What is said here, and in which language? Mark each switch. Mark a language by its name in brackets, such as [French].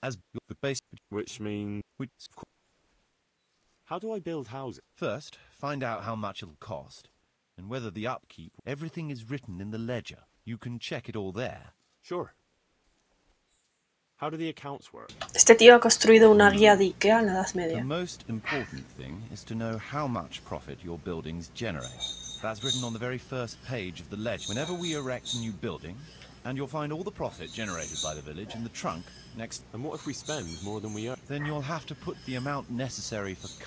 [English] As the base... Which means... Which... How do I build houses? First, find out how much it'll cost, and whether the upkeep... Everything is written in the ledger. You can check it all there. Sure. How do the accounts work? [Spanish] Este tío ha construido una guía de IKEA en la Edad Media. [English] The most important thing is to know how much profit your buildings generate. That's written on the very first page of the ledger. Whenever we erect a new building, and you'll find all the profit generated by the village in the trunk next... And what if we spend more than we earn? Then you'll have to put the amount necessary for...